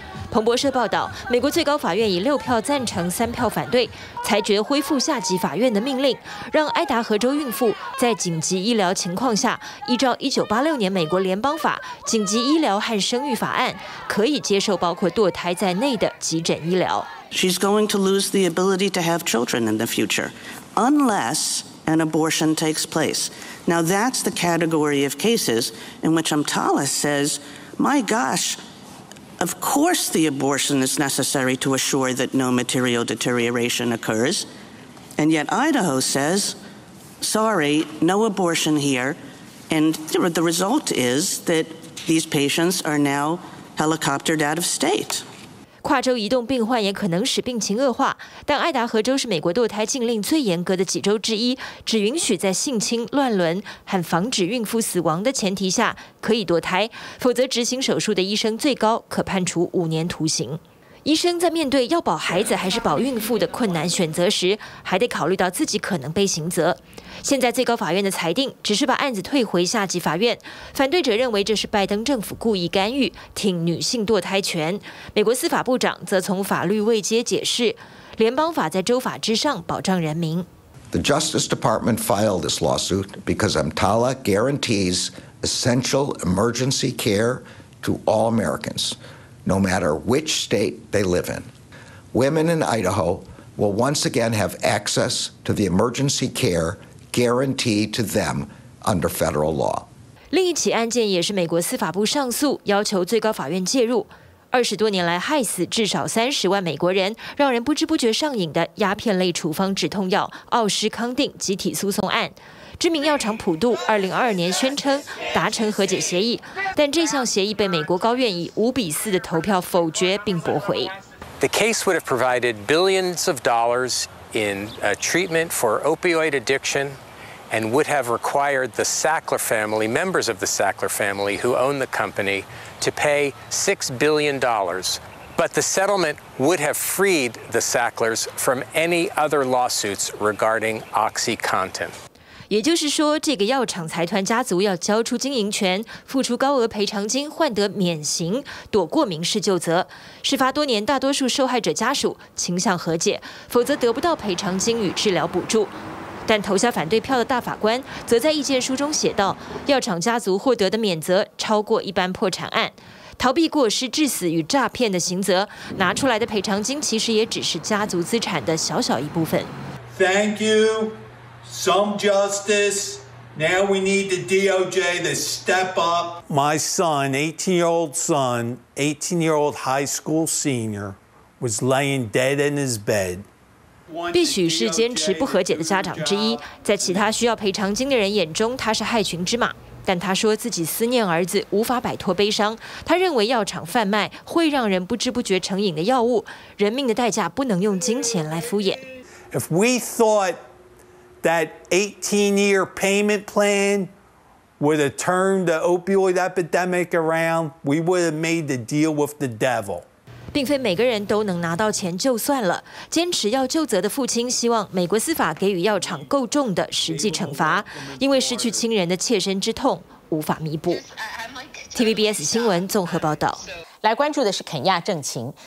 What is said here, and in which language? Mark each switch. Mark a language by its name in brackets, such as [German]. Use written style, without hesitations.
[Chinese] 彭博社报道，美国最高法院以6票赞成3票反对，裁决恢复下级法院的命令，让爱达荷州孕妇在紧急医疗情况下，依照1986年美国联邦法《紧急医疗和生育法案》，可以接受包括堕胎在内的急诊医疗。 [English] She's going to lose the ability to have children in the future, unless. An abortion takes place. Now that's the category of cases in which Amtala says, my gosh, of course the abortion is necessary to assure that no material deterioration occurs. And yet Idaho says, sorry, no abortion here. And the result is that these patients are now helicoptered out of state. [Chinese] 跨州移动病患也可能使病情恶化，但爱达荷州是美国堕胎禁令最严格的几州之一，只允许在性侵、乱伦和防止孕妇死亡的前提下可以堕胎，否则执行手术的医生最高可判处5年徒刑。医生在面对要保孩子还是保孕妇的困难选择时，还得考虑到自己可能被刑责。现在最高法院的裁定只是把案子退回下级法院，反对者认为这是拜登政府故意干预，挺女性堕胎权。美国司法部长则从法律位阶解释，联邦法在州法之上保障人民。 [English] The Justice Department filed this lawsuit because EMTALA guarantees essential emergency care to all Americans. No matter which state they live in, women in Idaho will once again have access to the emergency care guaranteed to them under federal law. [Chinese] 另一起案件也是美国司法部上诉，要求最高法院介入。 20多年来害死至少30万美国人，让人不知不觉上瘾的鸦片类处方止痛药奥施康定集体诉讼案。知名药厂普渡2022年宣称达成和解协议，但这项协议被美国高院以5-4的投票否决并驳回。 [English] The case would have provided billions of dollars in a treatment for opioid addiction and would have required the Sackler family, members of the Sackler family who own the company, to pay $6 billion. But the settlement would have freed the Sacklers from any other lawsuits regarding OxyContin. [Chinese] 也就是说，这个药厂财团家族要交出经营权，付出高额赔偿金，换得免刑，躲过民事就责。事发多年，大多数受害者家属倾向和解，否则得不到赔偿金与治疗补助。但投下反对票的大法官则在意见书中写道，药厂家族获得的免责超过一般破产案，逃避过失致死与诈骗的刑责，拿出来的赔偿金其实也只是家族资产的小小一部分。 [English] Thank youSome justice. Now we need the DOJ to step up. My son, 18-year-old son, 18-year-old high school senior, was laying dead in his bed. [Chinese] 必许是坚持不和解的家长之一，在其他需要赔偿金的人眼中，他是害群之马。但他说自己思念儿子，无法摆脱悲伤。他认为药厂贩卖会让人不知不觉成瘾的药物，人命的代价不能用金钱来敷衍。 [English] If we thoughtThat 18-year payment plan would have turned the opioid epidemic around, we would have made the deal with the devil. [Chinese] 并非每个人都能拿到钱就算了。坚持要就责的父亲希望美国司法给予药厂够重的实际惩罚，因为失去亲人的切身之痛无法弥补。 TVBS 新闻综合报道。来关注的是肯亚政情。